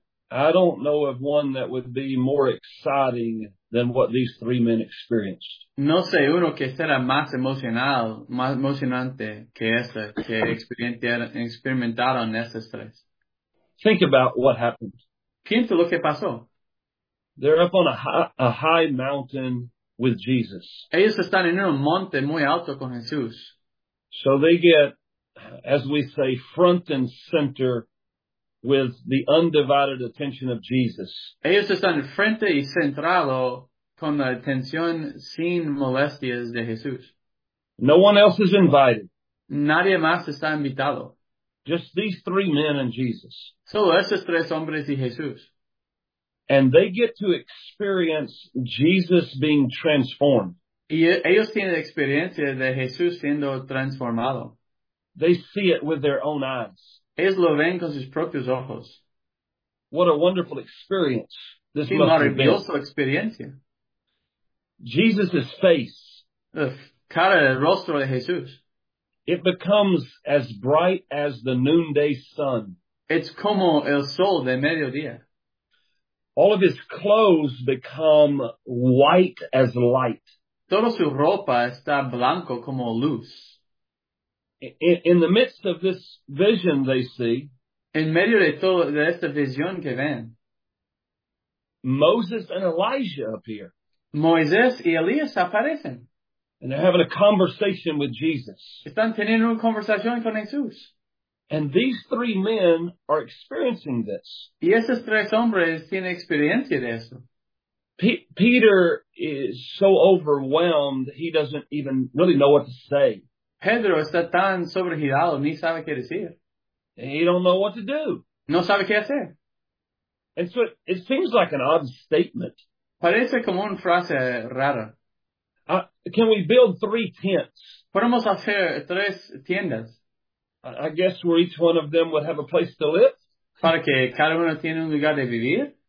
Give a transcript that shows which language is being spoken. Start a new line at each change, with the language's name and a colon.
English: I don't know of one that would be more exciting than what these three men experienced.
Spanish: No sé uno que será más emocional, más emocionante que ese que experimentaron estos tres.
English: Think about what happened.
Spanish: Piensa lo que pasó.
English: They're up on a high mountain with Jesus.
Spanish: Ellos están en un monte muy alto con Jesús.
English: So they get, as we say, front and center with the undivided attention of Jesus.
Spanish: Ellos están frente y centrado con la atención sin molestias de Jesús.
English: No one else is invited.
Spanish: Nadie más está invitado.
English: Just these three men and Jesus.
Spanish: Solo esos tres hombres y Jesús.
English: And they get to experience Jesus being transformed.
Spanish: Y ellos tienen experiencia de Jesús siendo transformado.
English: They see it with their own eyes.
Spanish: Ellos lo ven con sus propios ojos.
English: What a wonderful experience. This
Spanish: qué maravillosa experiencia.
English: Jesus' face.
Spanish: Cara, el rostro de Jesús.
English: It becomes as bright as the noonday sun.
Spanish: It's como el sol de mediodía.
English: All of his clothes become white as light.
Spanish: Toda su ropa está blanco como luz.
English: In the midst of this vision they see,
Spanish: en medio de toda esta visión que ven,
English: Moses and Elijah appear.
Spanish: Moisés y Elías aparecen.
English: And they're having a conversation with Jesus.
Spanish: Están teniendo una conversación con Jesús.
English: And these three men are experiencing this.
Spanish: Y esos tres hombres tienen experiencia de eso.
English: Peter is so overwhelmed, he doesn't even really know what to say.
Spanish: Pedro está tan sobregirado, ni sabe qué decir.
English: And he don't know what to do.
Spanish: No sabe qué hacer.
English: And so it seems like an odd statement.
Spanish: Parece como una frase rara.
English: Can we build three tents?
Spanish: Podemos hacer tres tiendas.
English: I guess where each one of them would have a place to live.
Spanish: Para que cada uno tiene un lugar de vivir.